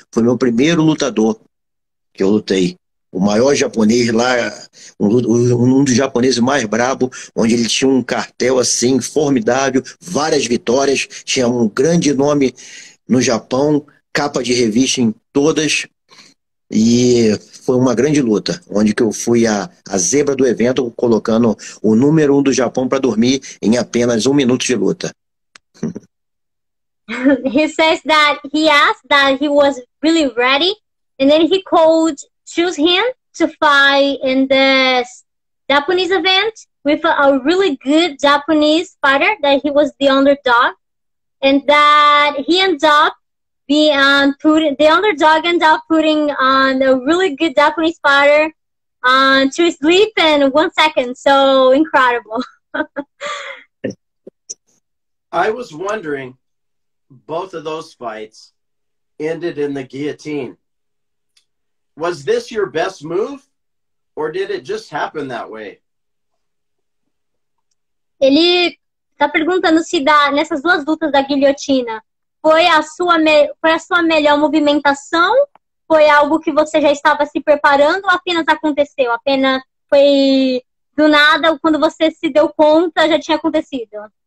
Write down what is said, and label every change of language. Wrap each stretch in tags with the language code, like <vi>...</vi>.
<pt>Foi meu primeiro lutador que eu lutei. O maior japonês lá, um dos japoneses mais brabo, onde ele tinha um cartel, assim, formidável, várias vitórias, tinha um grande nome no Japão, capa de revista em todas. E foi uma grande luta, onde que eu fui a zebra do evento, colocando o número um do Japão para dormir em apenas um minuto de luta.</pt> <en>He says that he asked that he was really ready, and then he called, choose him to fight in this Japanese event with a really good Japanese fighter, that he was the underdog, and that he ends up putting on a really good Japanese fighter to sleep in 1 second. So incredible. I was wondering, both of those fights ended in the guillotine. Was this your best move, or did it just happen that way?</en> <pt>Ele está perguntando se nessas duas lutas da guilhotina, foi a sua melhor movimentação? Foi algo que você já estava se preparando ou apenas aconteceu? Apenas foi do nada, quando você se deu conta, já tinha acontecido?</pt>